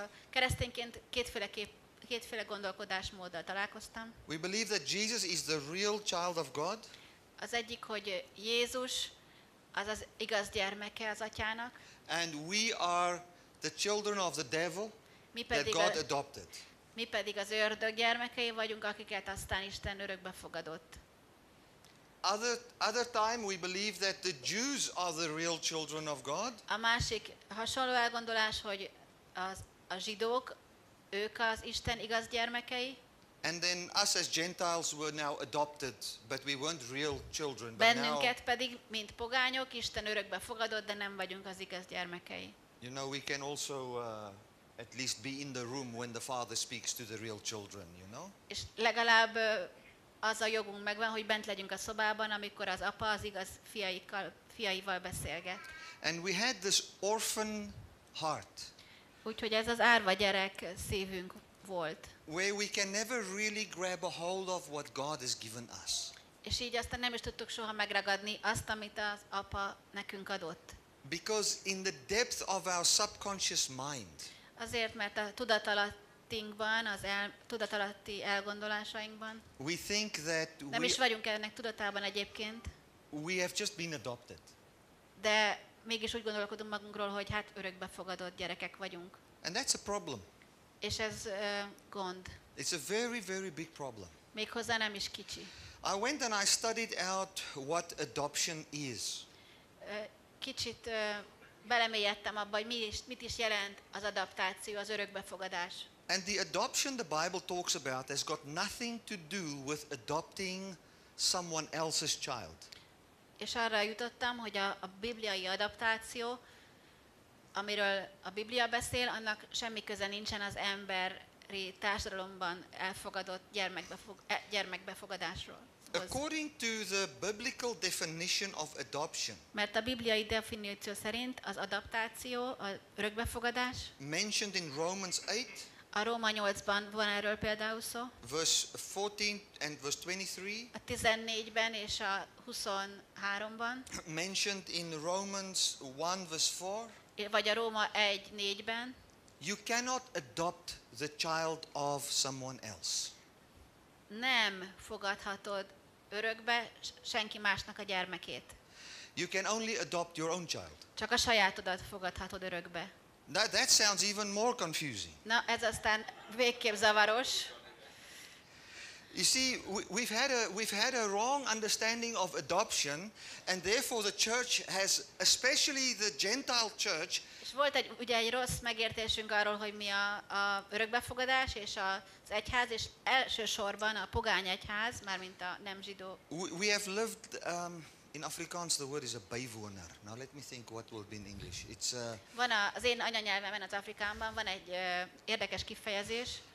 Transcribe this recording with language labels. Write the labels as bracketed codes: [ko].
[hu] Keresztényként kétféle gondolkodásmóddal találkoztam. [en] We believe that Jesus is the real child of God. [hu] Az egyik, hogy Jézus az igaz gyermeke az atyának. [en] And we are the children of the devil that God adopted. [hu] Mi pedig az ördög gyermekei vagyunk, akiket aztán Isten örökbe fogadott. [en] Other time we believe that the Jews are the real children of God. [hu] A másik hasonló elgondolás, hogy a zsidók, ők az Isten igaz gyermekei. [en] And then us as Gentiles were now adopted, but we weren't real children. [hu] Bennünket pedig, mint pogányok, Isten örökbe fogadott, de nem vagyunk az igaz gyermekei. [en] You know, we can also at least be in the room when the father speaks to the real children, you know? [hu] És legalább az a jogunk megvan, hogy bent legyünk a szobában, amikor az apa az igaz fiaival beszélget. [en] And we had this orphan heart. [hu] Úgyhogy ez az árva gyerek szívünk volt. [en] where we can never really grab a hold of what God has given us. [hu] És így aztán nem is tudtuk soha megragadni azt, amit az apa nekünk adott. [en] Because in the depth of our subconscious mind. [hu] Azért, mert a tudatalattinkban, az tudatalatti elgondolásainkban. [en] We think that [hu] nem is vagyunk ennek tudatában egyébként. [en] We have just been adopted. [hu] De mégis úgy gondolkodunk magunkról, hogy hát örökbefogadott gyerekek vagyunk. [en] And that's a problem. [hu] És ez gond. [en] It's a very, very big problem. [hu] Méghozzá nem is kicsi. [en] I went and I studied out what adoption is. [hu] Kicsit belemélyedtem abba, hogy mit is jelent az adaptáció, az örökbefogadás. [en] And the adoption the Bible talks about has got nothing to do with adopting someone else's child. [hu] És arra jutottam, hogy a bibliai adaptáció, amiről a Biblia beszél, annak semmi köze nincsen az emberi társadalomban elfogadott gyermekbefogadásról. [en] According to the biblical definition of adoption. [hu] Mert a bibliai definíció szerint az adaptáció, a örökbefogadás. [en] Mentioned in Romans 8. [hu] A Róma 8-ban van erről például szó. [en] Verse 14 and verse 23. [hu] A 14-ben és a 23-ban. [en] Mentioned in Romans 1 verse 4. [hu] Vagy a Róma 1:4-ben. [en] You cannot adopt the child of someone else. [hu] Nem fogadhatod örökbe senki másnak a gyermekét. [en] You can only adopt your own child. [hu] Csak a sajátodat fogadhatod örökbe. [en] That sounds even more confusing. [hu] Na, ez aztán végképp zavaros. [en] You see, we've had a wrong understanding of adoption, and therefore the church has, especially the Gentile church. [hu] És volt egy rossz megértésünk arról, hogy mi a örökbefogadás és az egyház, és elsősorban a pogány egyház, mármint a nem zsidó. [en] We have lived in Afrikaans the word is a bywoner. Now let me think what will be in English. It's [hu] van az én anyanyelvemen az Afrikaanban van egy érdekes kifejezés.